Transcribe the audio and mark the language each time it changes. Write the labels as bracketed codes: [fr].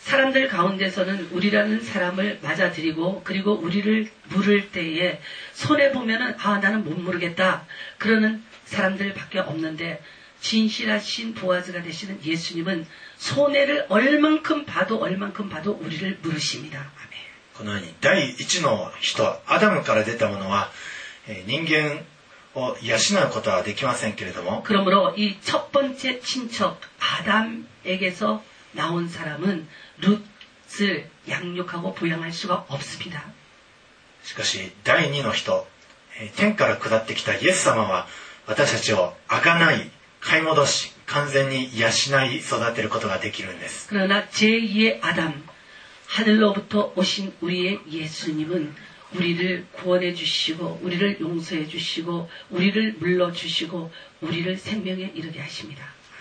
[ko] 사람들가운데서는우리라는사람을맞아들이고그리고우리를부를때에손해보면은아나는못모르겠다그러는사람들밖에없는데진실하신보아즈가되시는예수님은손해를얼만큼봐도얼만큼봐도우리를부르십니다아멘 그러니 [ja] 第一の人アダムから出たものは人間を養うことはできませんけれども [ko] 그러므로이첫번째친척아담에게서나온사람은룻을양육하고보양할수가없습니다 [ja] しかし第二の人天から下ってきたイエス様は私たちをあがない買い戻し完全に養い育てることができるんです [ko] 그러나제2의아담하늘로부터오신우리의예수님은우리를구원해주시고우리를용서해주시고우리를물러주시고우리를생명에이르게하십니다